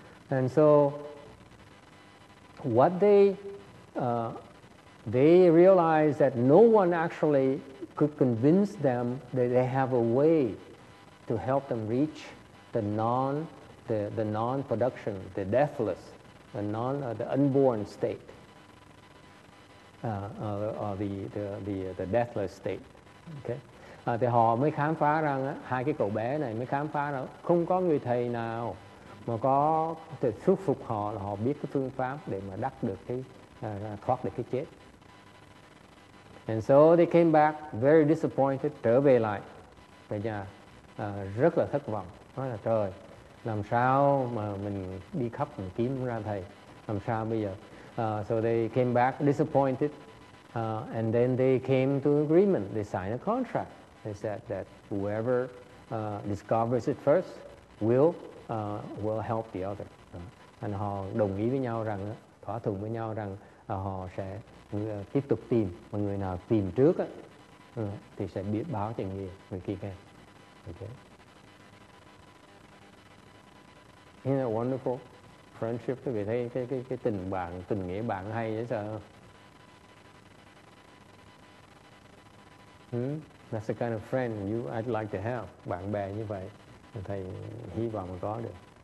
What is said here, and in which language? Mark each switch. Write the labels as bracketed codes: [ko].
[en] And so what they realized that no one actually could convince them that they have a way to help them reach the non-production, the deathless, the unborn state, the deathless state. Okay? [vi] thì họ mới khám phá rằng hai cái cậu bé này mới khám phá rằng không có người thầy nào mà có thể thuyết phục họ là họ biết cái phương pháp để mà đắc được cái thoát được cái chết. [en] And so they came back very disappointed, [vi] trở về lại về nhà rất là thất vọng, nói là trời, làm sao mà mình đi khắp mình kiếm ra thầy, làm sao bây giờ? [en] So they came back disappointed, and then they came to an agreement. They signed a contract. They said that whoever discovers it first will help the other. [vi] And họ đồng ý với nhau rằng, thỏa thuận với nhau rằng họ sẽ tiếp tục tìm, mà người nào tìm trước á thì sẽ biết báo cho người kia nghe. Okay. [en] Isn't that wonderful? Friendship, [vi] quý vị thấy cái tình bạn, tình nghĩa bạn hay vậy sao? Hmm? [en] That's the kind of friend you I'd like to have. [vi] Bạn bè như vậy, thầy hy vọng có được.